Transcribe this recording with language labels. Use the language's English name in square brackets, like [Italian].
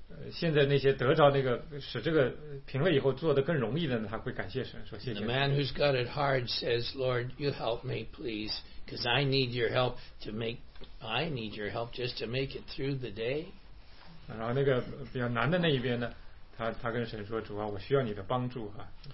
[Chinese] 现在那些得着那个使这个平了以后做得更容易的呢，他会感谢神，说谢谢。 [English] The man who's got it hard says, "Lord, you help me, please, because I need your help to make just to make it through the day." [Chinese] 然后那个比较难的那一边呢，他跟神说，主啊，我需要你的帮助啊。